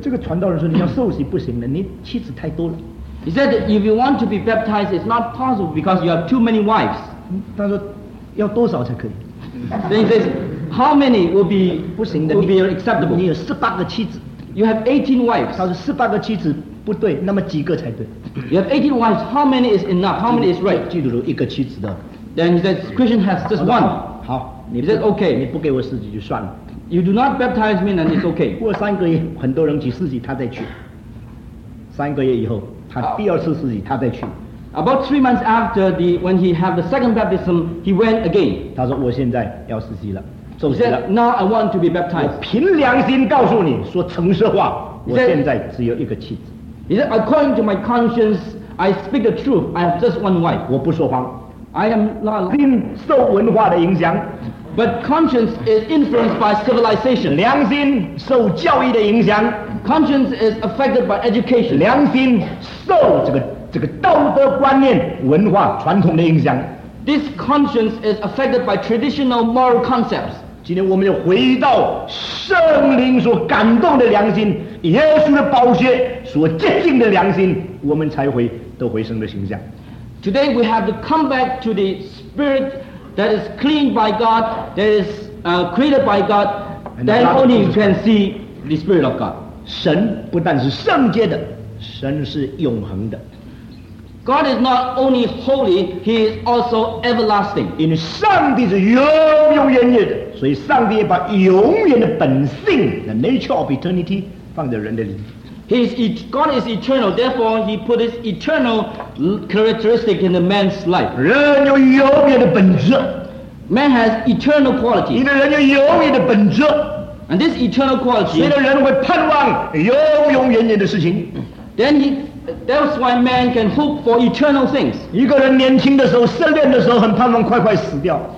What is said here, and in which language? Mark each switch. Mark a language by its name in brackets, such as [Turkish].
[Chinese] 这个传道人说你要受洗不行了，你妻子太多了。 [English] He said that if you want to be baptized, it's not possible because you have too many wives. [Chinese] 他说要多少才可以？ [English] Then he says. How many will be acceptable? [Chinese] 你有十八个妻子。 [English] You have 18 wives. [Chinese] 他说十八个妻子不对，那么几个才对。 [English] You have 18 wives. How many is enough? How many is right? [Chinese] 基督徒一个妻子的。 [English] Then he says Christian has just one. [Chinese] 好，你 said OK，你不给我施洗就算了。 [English] You do not baptize me, then it's OK。 [Chinese] 过三个月，很多人去施洗，他再去。三个月以后，他第二次施洗，他再去。 [English] About 3 months after the when he had the second baptism, he went again。 [Chinese] 他说我现在要施洗了，受洗了。 [English] He said, Now I want to be baptized。 [Chinese] 我凭良心告诉你说诚实话，我现在只有一个妻子。 [English] He said, According to my conscience, I speak the truth. I have just one wife。 [Chinese] 我不说谎。 [English] I am not. [Chinese] 心受文化的影响。 [English] But conscience is influenced by civilization. [Chinese] 良心受教育的影响。 [English] Conscience is affected by education. [Chinese] 良心受这个道德观念、文化传统的影响。 [English] This conscience is affected by traditional moral concepts. [Chinese] 今天我们要回到圣灵所感动的良心，耶稣的宝血所洁净的良心，我们才会得回神的形象。 [English] Today we have to come back to the spirit that is cleaned by God, that is created by God, then only you can see the spirit of God. [Chinese] 神不但是圣洁的，神是永恒的。 [English] God is not only holy, he is also everlasting. [Chinese] 因为上帝是永永远远的，所以上帝也把永远的本性 the nature of eternity 放在人的里面。 [English] God is eternal, therefore he put his eternal characteristic in the man's life. [Chinese] 人有永远的本质。 [English] Man has eternal quality. [Chinese] 因为人有永远的本质。 [English] And this eternal quality. [Chinese] 所以人会盼望永永远远的事情。 [English] That's why man can hope for eternal things. [Chinese] 一个人年轻的时候，失恋的时候，很盼望快快死掉。